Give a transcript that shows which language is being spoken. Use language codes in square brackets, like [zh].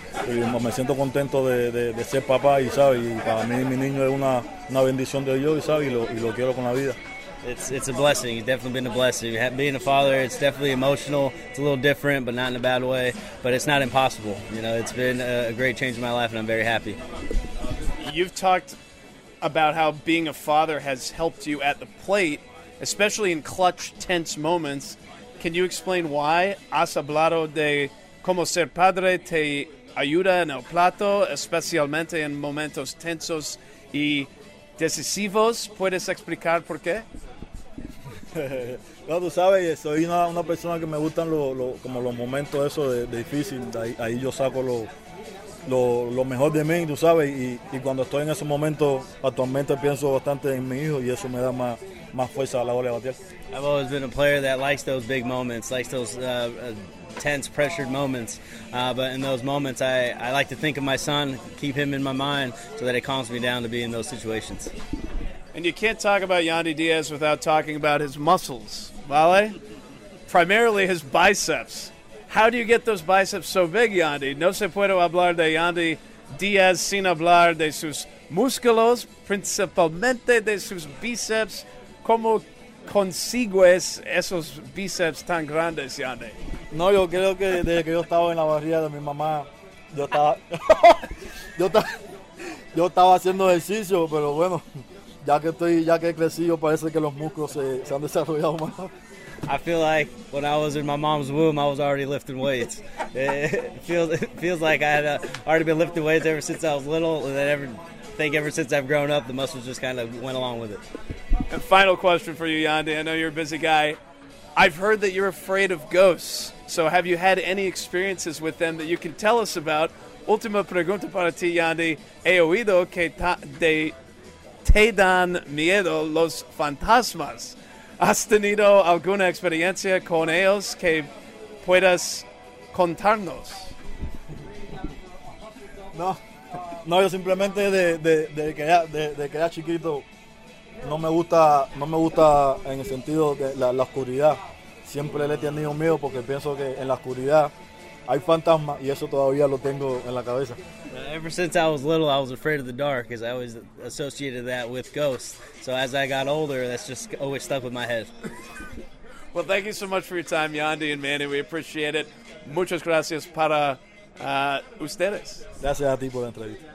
[es] Y me siento contento de ser papá, y sabes, y para mí mi niño es una bendición de Dios, y sabes, y lo quiero con la vida. [en] It's a blessing. It's definitely been a blessing. Being a father, it's definitely emotional. It's a little different, but not in a bad way. But it's not impossible. You know, it's been a great change in my life, and I'm very happy. You've talked about how being a father has helped you at the plate, especially in clutch, tense moments. Can you explain why? [es] Has hablado de cómo ser padre te ayuda en el plato, especialmente en momentos tensos y decisivos. ¿Puedes explicar por qué? No, tú sabes, soy una persona que me gustan los momentos esos de difícil. Ahí yo saco lo mejor de mí, tú sabes. Y cuando estoy en esos momentos, actualmente pienso bastante en mi hijo, y eso me da más fuerza a la hora de batear. [en] I've always been a player that likes those big moments, likes those tense, pressured moments. But in those moments, I like to think of my son, keep him in my mind, so that it calms me down to be in those situations. And you can't talk about Yandy Diaz without talking about his muscles, [es] ¿vale? [en] Primarily his biceps. How do you get those biceps so big, Yandy? [es] No se puede hablar de Yandy Diaz sin hablar de sus músculos, principalmente de sus bíceps. ¿Cómo consigues esos bíceps tan grandes, Yandy? No, yo creo que desde que yo estaba en la barriga de mi mamá, yo estaba haciendo ejercicio, pero bueno, ya que crecí, yo parece que los músculos se han desarrollado más. [en] I feel like when I was in my mom's womb, I was already lifting weights. It feels like I had already been lifting weights ever since I was little, and then ever since I've grown up, the muscles just kind of went along with it. And final question for you, Yandy. I know you're a busy guy. I've heard that you're afraid of ghosts. So have you had any experiences with them that you can tell us about? [es] Última pregunta para ti, Yandy. He oído que te dan miedo los fantasmas. ¿Has tenido alguna experiencia con ellos que puedas contarnos? No, yo simplemente de que era chiquito. No me gusta en el sentido de la oscuridad. Siempre le he tenido miedo porque pienso que en la oscuridad hay fantasmas y eso todavía lo tengo en la cabeza. [en] Ever since I was little, I was afraid of the dark because I always associated that with ghosts. So as I got older, that's just always stuck with my head. Well, thank you so much for your time, Yandy and Manny. We appreciate it. [es] Muchas gracias para ustedes. Gracias a ti por la entrevista.